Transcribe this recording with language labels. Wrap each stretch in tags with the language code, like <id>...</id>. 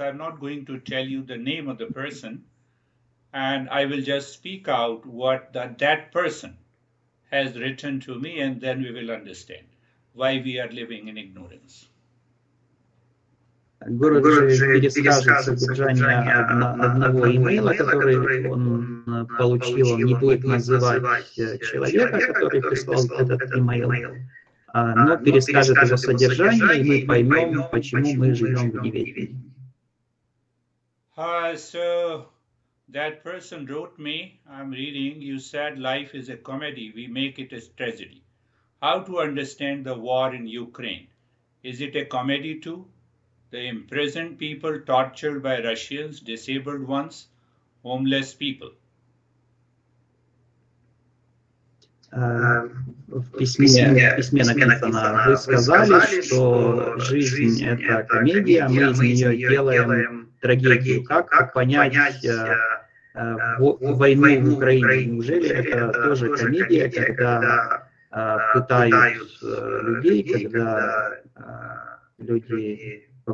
<en>I'm not going to tell you the name of the person, and I will just speak out what that person has written to me, and then we will understand why we are living in ignorance.</en> <ru>Город же пересказывает содержание одного имейла, который он получил. Он не будет называть человека, который прислал этот имейл, но перескажет его содержание, и мы поймем, почему мы живем в неведении.</ru> <en>So that person wrote me, I'm reading, you said life is a comedy, we make it a tragedy. How to understand the war in Ukraine? Is it a comedy too? The imprisoned people tortured by Russians, disabled ones, homeless people.</en> <ru>В письме написано, вы сказали, что жизнь – это комедия, мы из нее делаем трагедию. Как понять войну в Украине? Неужели это тоже комедия, когда пытают людей, когда люди...</ru>